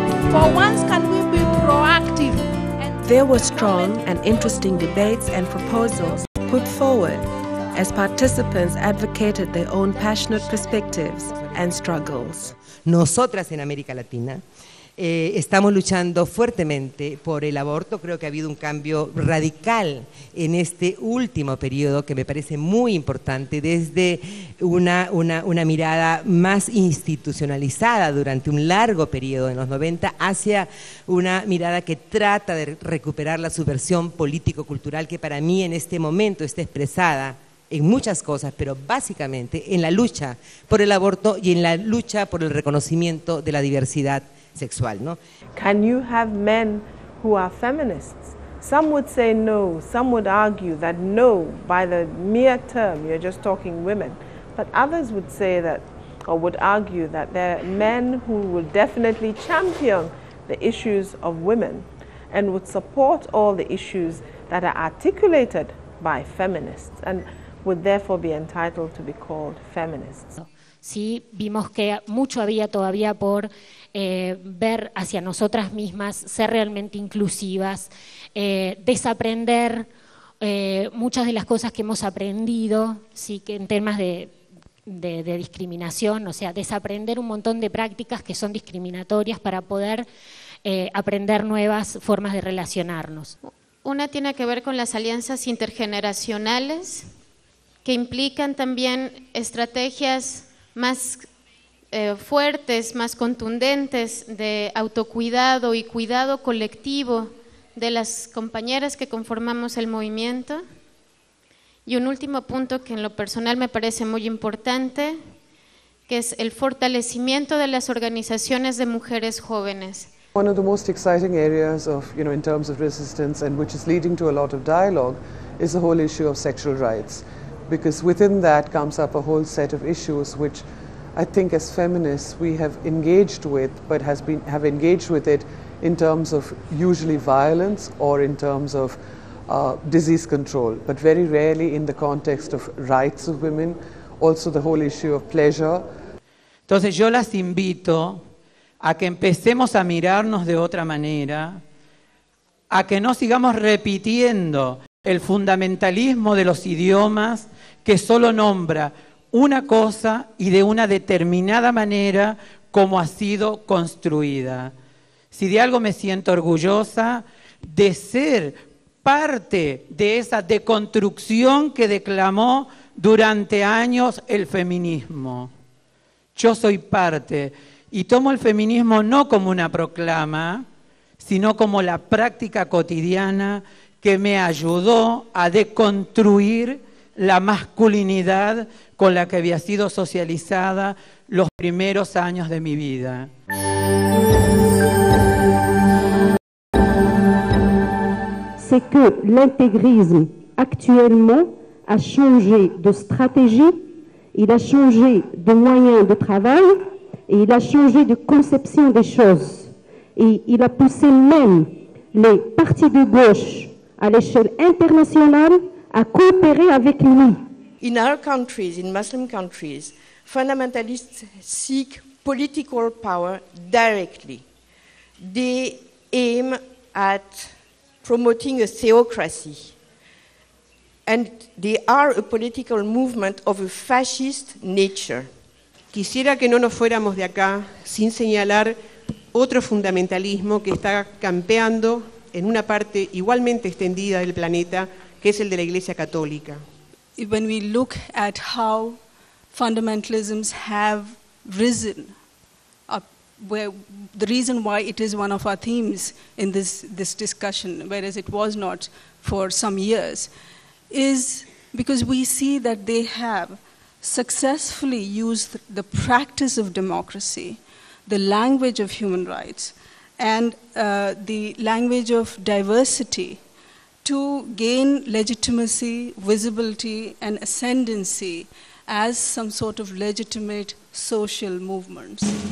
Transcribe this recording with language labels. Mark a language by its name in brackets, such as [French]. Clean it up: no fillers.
[English] For once, can we be proactive? There were strong and interesting debates and proposals put forward as participants advocated their own passionate perspectives and struggles. [Spanish] Nosotras en América Latina estamos luchando fuertemente por el aborto. Creo que ha habido un cambio radical en este último periodo que me parece muy importante desde una mirada más institucionalizada durante un largo periodo en los 90 hacia una mirada que trata de recuperar la subversión político-cultural que para mí en este momento está expresada en muchas cosas, pero básicamente en la lucha por el aborto y en la lucha por el reconocimiento de la diversidad sexual, ¿no? [English] Can you have men who are feminists? Some would say no, some would argue that no, by the mere term, you're just talking women. But others would say that, or would argue that there are men who will definitely champion the issues of women and would support all the issues that are articulated by feminists and would therefore be entitled to be called feminists. [Spanish] Sí, vimos que mucho había todavía por ver hacia nosotras mismas, ser realmente inclusivas, desaprender muchas de las cosas que hemos aprendido, sí, que en temas de discriminación, o sea, desaprender un montón de prácticas que son discriminatorias para poder aprender nuevas formas de relacionarnos. Una tiene que ver con las alianzas intergeneracionales que implican también estrategias más fuertes, más contundentes de autocuidado y cuidado colectivo de las compañeras que conformamos el movimiento. Y un último punto que en lo personal me parece muy importante, que es el fortalecimiento de las organizaciones de mujeres jóvenes. [English] One of the most exciting areas of, you know, in terms of resistance and which is leading to a lot of dialogue is the whole issue of sexual rights, because within that comes up a whole set of issues which I think as feminists we have engaged with, but have engaged with it in terms of usually violence or in terms of disease control, but very rarely in the context of rights of women, also the whole issue of pleasure. [Spanish] Entonces yo las invito a que empecemos a mirarnos de otra manera, a que no sigamos repitiendo el fundamentalismo de los idiomas que solo nombra una cosa y de una determinada manera como ha sido construida. Si de algo me siento orgullosa, de ser parte de esa deconstrucción que declamó durante años el feminismo. Yo soy parte. Y tomo el feminismo no como una proclama, sino como la práctica cotidiana que me ayudó a deconstruir la masculinidad con la que había sido socializada los primeros años de mi vida. [French] C'est que l'intégrisme actuellement a changé de stratégie, il a changé de moyen de travail. Et il a changé de conception des choses. Et il a poussé même les partis de gauche à l'échelle internationale à coopérer avec lui. [English] In our countries, in Muslim countries, fundamentalists seek political power directly. They aim at promoting a theocracy. And they are a political movement of a fascist nature. [Spanish] Quisiera que no nos fuéramos de acá sin señalar otro fundamentalismo que está campeando en una parte igualmente extendida del planeta, que es el de la Iglesia Católica. [English] When we look at how fundamentalisms have risen, the reason why it is one of our themes in this discussion, whereas it was not for some years, is because we see that they have successfully used the practice of democracy, the language of human rights, and the language of diversity to gain legitimacy, visibility, and ascendancy as some sort of legitimate social movements.